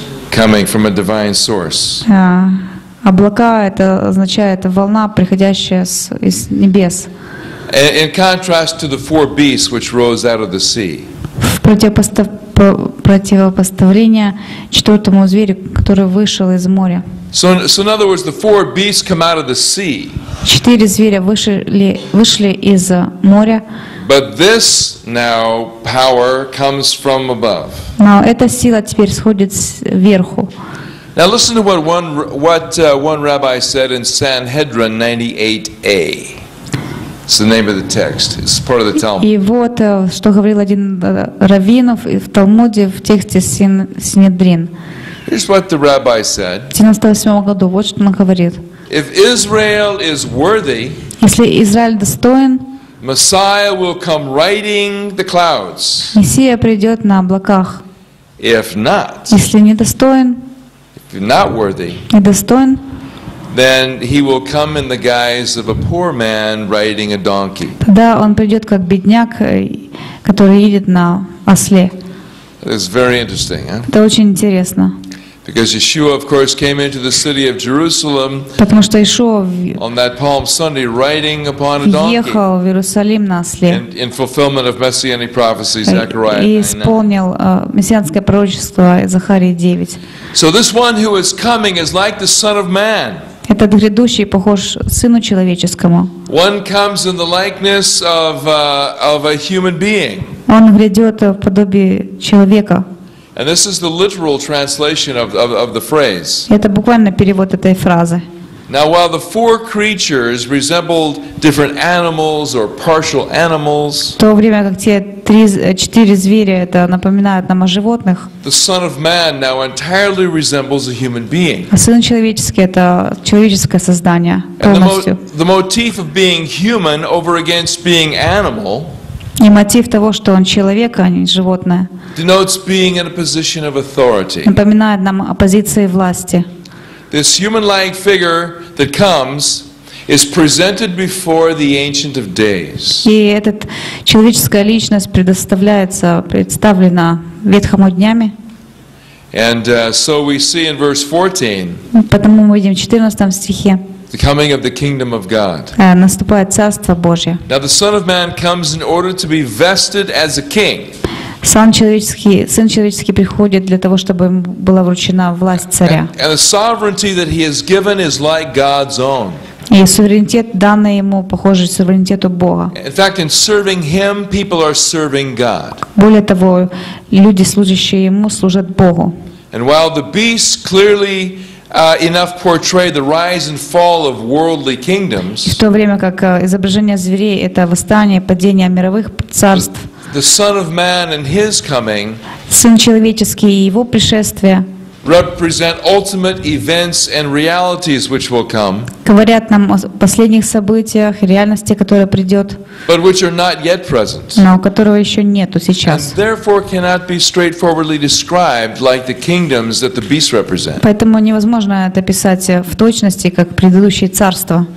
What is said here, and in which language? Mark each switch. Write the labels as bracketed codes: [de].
[en] Coming from a divine source. [ru] Облака — это означает волна, приходящая из небес. [en] In contrast to the four beasts which rose out of the sea. [ru] В противопоставление четвертому зверю, который вышел из моря. [en] So in other words, the four beasts come out of the sea. [ru] Четыре зверя вышли из моря. [en] But this now power comes from above. [ru] Но эта сила теперь сходит сверху. [en] Now listen to what one rabbi said in Sanhedrin 98a. It's the name of the text. It's part of the Talmud. [ru] И вот что говорил один раввин в Талмуде в тексте Синедрин. [en] Here's what the rabbi said. [ru] В 98 году вот что он говорит. [en] If Israel is worthy. [ru] Если Израиль достоин. [en] Messiah will come riding the clouds. [ru] Мессия придет на облаках. [en] If not, [ru] если недостоин, [en] if not worthy, [ru] недостоин, [en] then he will come in the guise of a poor man riding a donkey. [ru] Тогда он придет как бедняк, который едет на осле. [en] It's very interesting, huh? [ru] Это очень интересно. [en] Because Yeshua, of course, came into the city of Jerusalem. [ru] Потому что Иешуа [en] on that Palm Sunday, riding upon a donkey. [ru] Ехал в Иерусалим на осле. [en] In fulfillment of messianic prophecy, Zechariah 9. [ru] И исполнил мессианское пророчество Захарии 9. [en] So this one who is coming is like the Son of Man. [ru] Этот грядущий похож сыну человеческому. [en] One comes in the likeness of a human being. [ru] Он грядет в подобии человека. [en] And this is the literal translation of the phrase. [ru] Это буквальный перевод этой фразы. [en] Now, while the four creatures resembled different animals or partial animals, [ru] в то время как те четыре зверя это напоминают нам о животных, [en] the Son of Man now entirely resembles a human being. [ru] А сын человеческий — это человеческое создание полностью. [en] And the motif of being human over against being animal. [ru] И мотив того, что он человек, а не животное. [en] Denotes being in a position of authority. [ru] Напоминает нам о позиции власти. [en] This human-like figure that comes is presented before the Ancient of Days. [ru] И этот человеческая личность предоставляется, представлена Ветхому днями. [en] And so we see in verse 14. [ru] Потому мы видим в 14 стихе. [en] The coming of the kingdom of God. [ru] Наступает царство Божье. [en] Now the Son of Man comes in order to be vested as a king. [ru] Сын человеческий приходит для того, чтобы ему была вручена власть царя. [en] And the sovereignty that he has given is like God's own. [ru] И суверенитет, данный ему, похожий суверенитету Бога. [en] In fact, in serving him, people are serving God. [ru] Более того, люди, служащие ему, служат Богу. [en] And while the beast clearly enough portray the rise and fall of worldly kingdoms. [ru] В то время как изображение зверей — это восстание, падение мировых царств. [en] The Son of Man and His coming. [ru] Сын человеческий и его пришествие. [en] Represent ultimate events and realities which will come. [ru] Говорят нам о последних событиях, реальности, которая придет. [en] But which are not yet present. [ru] Но которого еще нету сейчас. [en] And therefore cannot be straightforwardly described like the kingdoms that the beast represent. [ru] Поэтому невозможно это описать в точности как предыдущие царства.